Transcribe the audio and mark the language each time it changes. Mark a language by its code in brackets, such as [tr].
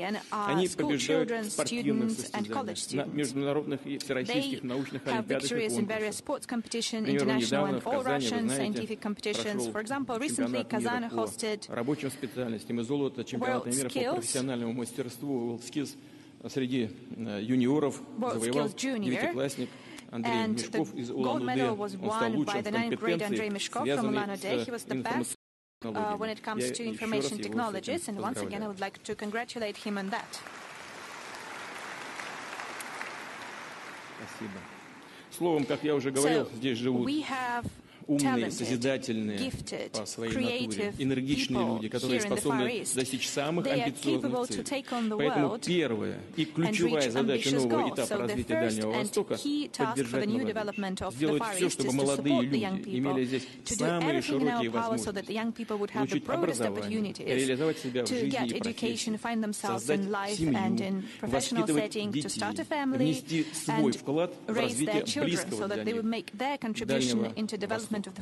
[ru] Они побеждают в спортивных состязаниях на международных и всероссийских научных олимпиадах и конкурсах. Например, недавно в Казани, вы знаете, прошел чемпионат мира по рабочим специальностям и золото чемпионата мира по профессиональному мастерству WorldSkills среди юниоров завоевал девятиклассник. [en] and the gold medal was won by the ninth grade Andrei Mishkov from Ulan Ude. He was the best when it comes to information technologies, and once again I would like to congratulate him on that. [ru] Словом, как я уже говорил, здесь живут умные, созидательные, [en] gifted, [ru] по своей натуре, энергичные люди, которые способны достичь самых амбициозных целей. Поэтому первая и ключевая задача нового этапа развития Дальнего Востока – поддержать молодежь, сделать все, чтобы молодые люди имели здесь самые широкие возможности, получить образование, реализовать себя в жизни и профессии, создать семью, воспитывать детей, внести свой вклад в развитие близкого для них Дальнего Востока.